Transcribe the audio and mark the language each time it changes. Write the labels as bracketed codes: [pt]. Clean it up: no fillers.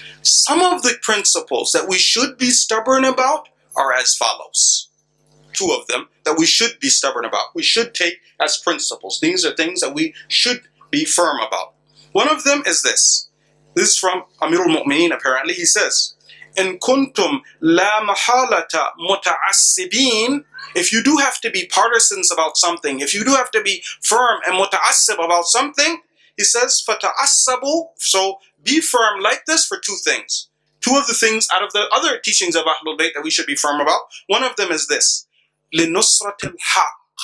[en] Some of the principles that we should be stubborn about are as follows. Two of them that we should be stubborn about. We should take as principles. These are things that we should be firm about. One of them is this. This is from Amir al-Mu'mineen, apparently. [ar] He says, إن كنتم لا محالة متعصبين. [en] If you do have to be partisans about something, if you do have to be firm and متعصب about something, he says, فتعصبوا. So be firm like this for two things. Two of the things out of the other teachings of Ahlul Bayt that we should be firm about. One of them is this. لنصرت الحق.